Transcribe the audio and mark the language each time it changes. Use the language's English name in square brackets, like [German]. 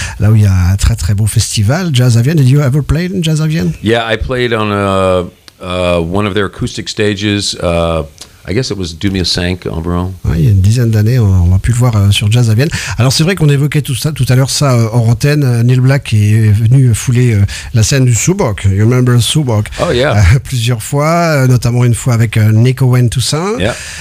[French] Là où il y a un très très beau festival, Jazz à Vienne. [English] Did you ever play in Jazz à Vienne? Yeah, I played on one of their acoustic stages... I guess it was 2005 environ. [French] Oui, il y a une dizaine d'années, on a pu le voir sur Jazz à Vienne. Alors c'est vrai qu'on évoquait tout à l'heure ça hors antenne. Neil Black est venu fouler la scène du Subok. [English] You remember Subok? Oh yeah. [French] Plusieurs fois, notamment une fois avec Nick Owen Toussaint. [English] Yeah.